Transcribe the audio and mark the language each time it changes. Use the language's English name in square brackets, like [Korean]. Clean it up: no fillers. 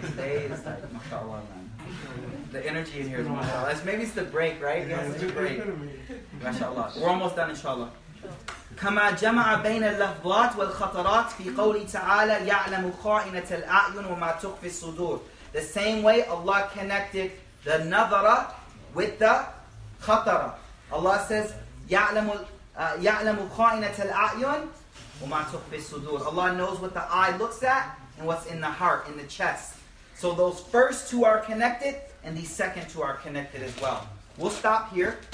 [English] Today is like, mashallah, man. The energy in here is mashallah. Maybe it's the break, right? Yeah, it's the break. Mashallah. We're almost done, inshallah. [Arabic] كما جمع بين اللفظات والخطرات في قوله تعالى يعلم خائنة الأعين وما تخفي الصدور. [English] The same way Allah connected the نظرة with the خطرة. Allah says [Arabic] يعلم خائنة الأعين [English] Allah knows what the eye looks at and what's in the heart, in the chest. So those first two are connected, and these second two are connected as well. We'll stop here.